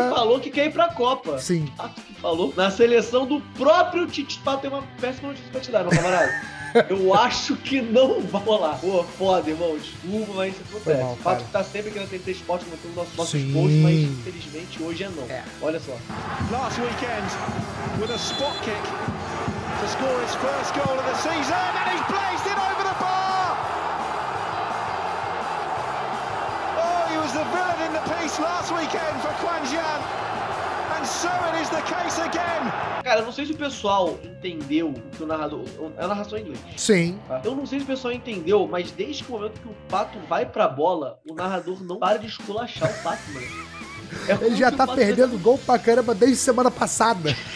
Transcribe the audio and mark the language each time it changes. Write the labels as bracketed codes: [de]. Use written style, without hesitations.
[pt] Pato que falou que quer ir pra Copa. Sim. Pato que falou na seleção do próprio Tite. Pato tem uma péssima notícia pra te dar, meu camarada. Eu acho que não vai rolar. Pô, foda, irmão. Desculpa, mas isso acontece. Mal, o fato cara. Que tá sempre querendo ter esporte, mas tem nossos postos, mas infelizmente hoje é não. É. Olha só. [en] Last weekend, with a spot kick to score his first goal of the season, and he's placed it over the bar! Oh, he was the villain in the piece last weekend for Quan Jian. And so it is the case again. [pt] Cara, eu não sei se o pessoal entendeu que o narrador... É a narração em inglês. Sim. Eu não sei se o pessoal entendeu, mas desde o momento que o Pato vai pra bola, o narrador não para de esculachar o Pato, mano. É ele já tá perdendo gol pra caramba desde semana passada.